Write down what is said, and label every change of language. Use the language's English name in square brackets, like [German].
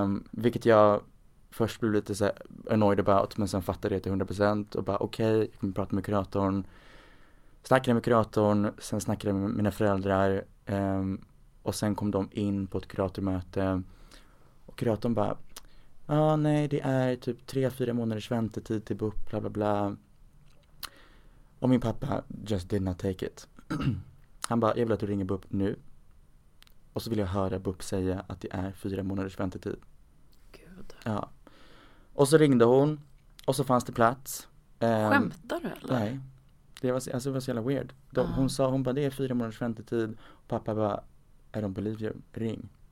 [Swedish] Vilket jag först blev lite så här [English] annoyed about, [Swedish] men sen fattade det till 100% och bara, okej, jag kommer prata med kuratorn. Snackade med kuratorn, sen snackade med mina föräldrar, och sen kom de in på ett kuratormöte och kuratorn bara, nej, det är typ 3-4 månaders väntetid till BUP, bla bla bla. Och min pappa [English] just did not take it. [Swedish] Han bara, jag vill att du ringer BUP nu. Och så vill jag höra BUP säga att det är 4 månaders väntetid. Gud. Ja. Och så ringde hon. Och så fanns det plats. Skämtar du eller? Nej. Det var så jävla weird. Hon sa, hon bara, det är 4 månaders väntetid. Och pappa bara, [English] I don't believe you. [Swedish] Ring.